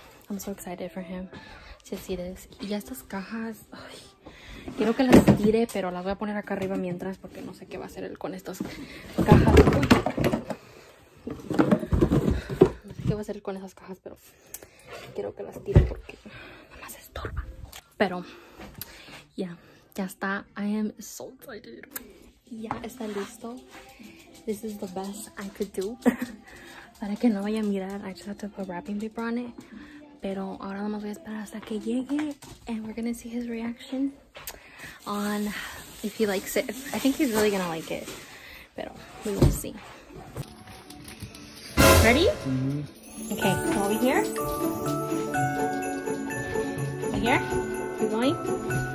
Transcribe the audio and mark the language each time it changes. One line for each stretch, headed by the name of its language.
English: I'm so excited for him to see this.
Spanish: Y estas cajas, ay, quiero que las tire, pero las voy a poner acá arriba mientras, porque no sé qué va a hacer él con estas cajas. No sé qué va a hacer él con esas cajas, pero quiero que las tire porque nada más estorba. Pero ya,
English: yeah,
Spanish: ya está.
English: I am so excited.
Spanish: Ya está listo.
English: This is the best I could do.
Spanish: Para que no vaya a mirar,
English: I just have to put wrapping paper on it.
Spanish: Pero ahora nada más voy a esperar hasta que llegue.
English: And we're gonna see his reaction on if he likes it. I think he's really gonna like it.
Spanish: Pero
English: we will see. Ready? Mm-hmm. Okay, so over here. Right here? You're going?